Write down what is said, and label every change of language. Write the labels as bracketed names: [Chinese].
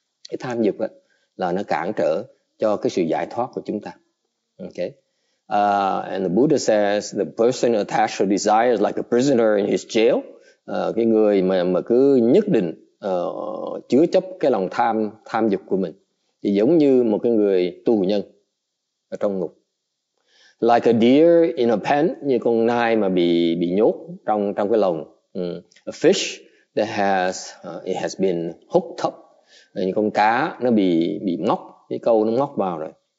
[Vietnamese] Cái tham dục á, là nó cản trở cho cái sự giải thoát của chúng ta. Okay. [English] And the Buddha says the person attached to desire is like a prisoner in his jail. [Vietnamese] Cái người mà cứ nhất định chứa chấp cái lòng tham dục của mình thì giống như một cái người tù nhân ở trong ngục. [English] Like a deer in a pen, [Vietnamese] như con nai mà bị nhốt trong cái lồng. [English] A fish that has it has been hooked up, [Vietnamese] như con cá nó bị móc, cái câu nó móc vào rồi.